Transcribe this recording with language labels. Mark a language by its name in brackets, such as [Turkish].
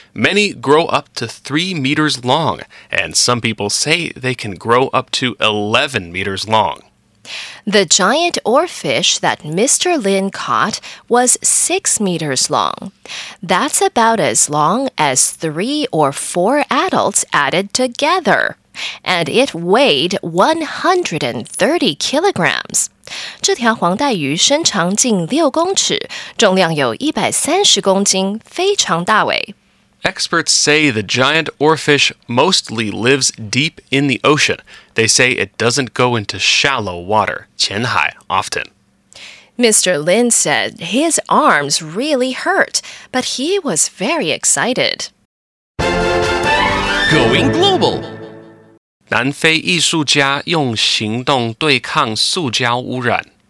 [English] Many grow up to 3 meters long, and some people say they can grow up to 11 meters long. The giant oarfish that Mr. Lin caught was 6 meters long. That's about as long as 3 or 4 adults added together. And it weighed 130 kilograms. [Chinese] 这条黄带鱼身长近六公尺，重量有130公斤，非常大尾。 [English] Experts say the giant oarfish mostly lives deep in the ocean. They say it doesn't go into shallow water, 浅海, often. Mr. Lin said his arms really hurt, but he was very excited. Going global! [Chinese] 南非藝術家用行動對抗塑膠污染